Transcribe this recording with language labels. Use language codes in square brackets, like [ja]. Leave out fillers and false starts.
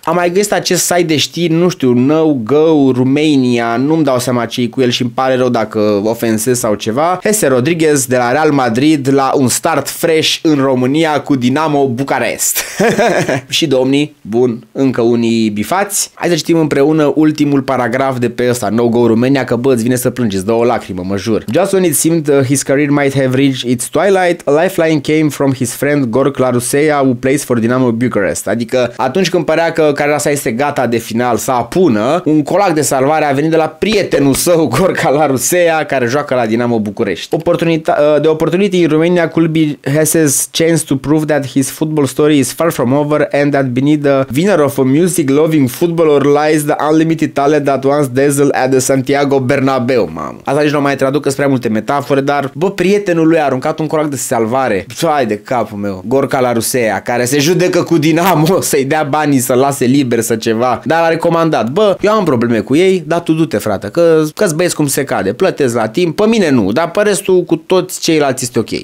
[ro] Am mai găsit acest site de știri, nu știu, No Go Romania, nu-mi dau seama ce-i cu el și îmi pare rău dacă ofensez sau ceva. Hesse Rodriguez de la Real Madrid la un start fresh în România cu Dinamo Bucarest. Și domnii, bun, încă unii bifați. Hai să citim împreună ultimul paragraf de pe ăsta, No Go Romania, că bă, îți vine să plângeți, dă o lacrimă, mă jur. [en] Just when it seemed his career might have reached its twilight, a lifeline came from his friend Gorg Larusea, who plays for Dinamo Bucharest. [ro] Adică atunci când părea că cariera sa este gata de final să apună, un colac de salvare a venit de la prietenul său, Gorg Larusea, care joacă la Dinamo București. [en] The opportunity in Romania could be Hesse's chance to prove that his football story is far from over and that beneath the winner of a music-loving footballer lies the unlimited talent that once dazzled at the Santiago Bernabeu, mamă. [ro] Asta nici nu mai traduc, că sunt prea multe metafore, dar, bă, prietenul lui a aruncat un colac de salvare. Hai de capul meu, Gorka Larusea, care se judecă cu Dinamo să-i dea banii, să-l lase liber, să ceva. Dar a recomandat, bă, eu am probleme cu ei, dar tu du-te, frate, că-ți băieți cum se cade, plătesc la timp, pe mine nu, dar pe restul cu toți ceilalți este ok.